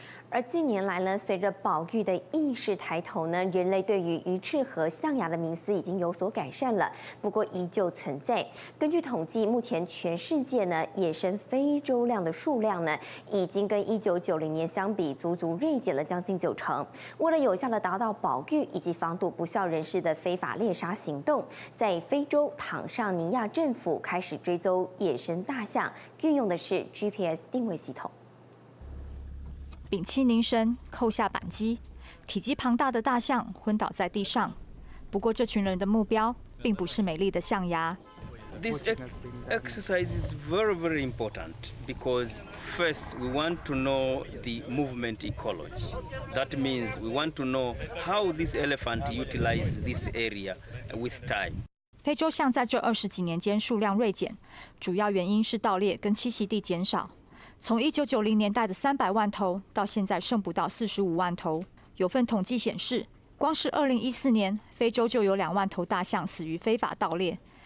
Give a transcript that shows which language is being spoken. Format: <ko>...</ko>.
<zh>而近年来呢，随着保育的意识抬头呢，人类对于鱼翅和象牙的迷思已经有所改善了。不过，依旧存在。根据统计，目前全世界呢，野生非洲象的数量呢，已经跟1990年相比，足足锐减了将近90%。为了有效的打倒保育以及防堵不肖人士的非法猎杀行动，在非洲坦桑尼亚政府开始追踪野生大象，运用的是 GPS 定位系统。屏气凝神，扣下扳机，体积庞大的大象昏倒在地上。不过，这群人的目标并不是美丽的象牙。</zh> <en>This exercise is very, very important because first we want to know the movement ecology. That means we want to know how this elephant utilizes this area with time.</en> <zh>非洲象在这二十几年间数量锐减，主要原因是盗猎跟栖息地减少。从1990年代的300万头，到现在剩不到45万头。有份统计显示，光是2014年，非洲就有20000头大象死于非法盗猎。</zh>